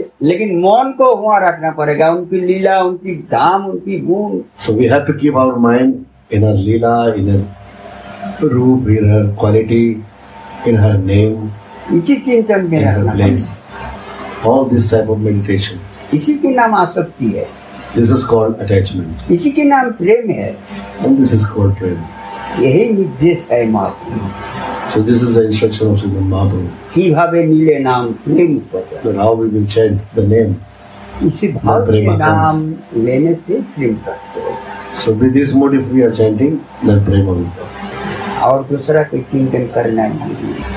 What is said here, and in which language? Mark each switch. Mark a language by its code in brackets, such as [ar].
[hi] लेकिन मन को वहां रखना पड़ेगा, उनकी लीला, उनकी धाम, उनकी गुण. [en] So we have to keep our mind in her lila, in her roop, in her quality, in her name. [hi] इसी चिंतन में रहना [en] place. All this type of meditation. [hi] इसी के नाम आसक्ति है. [en] This is called attachment. [hi] इसी के नाम प्रेम है. [en] And this is called prem. [hi] यही निर्देश है महाप्रभु. [en] So this is the instruction of Srimad Mahaprabhu. [bn] कीभावे नीले नाम प्रेम [en] पता. But how we will chant the name. [hi] इसी भाव के नाम लेने से प्रेम प्राप्त होगा. [en] So with this mode if we are chanting, then prema will come. [hi] और दूसरा कोई चिंतन करना नहीं.